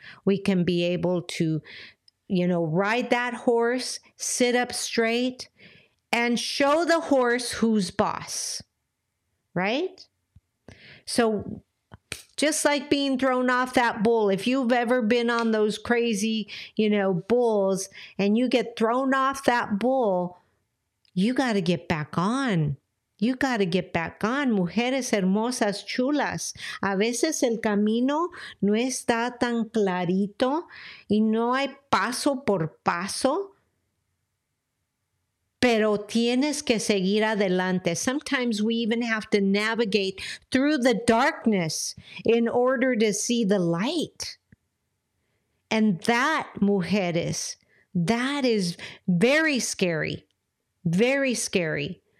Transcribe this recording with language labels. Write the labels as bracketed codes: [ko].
[en] We can be able to, you know, ride that horse, sit up straight, and show the horse who's boss, right? So just like being thrown off that bull, if you've ever been on those crazy, you know, bulls, and you get thrown off that bull, you got to get back on. You got to get back on. [es] Mujeres hermosas, chulas. A veces el camino no está tan clarito y no hay paso por paso. pero tienes que seguir adelante. [en] Sometimes we even have to navigate through the darkness in order to see the light. And that, mujeres, that is very scary, very scary.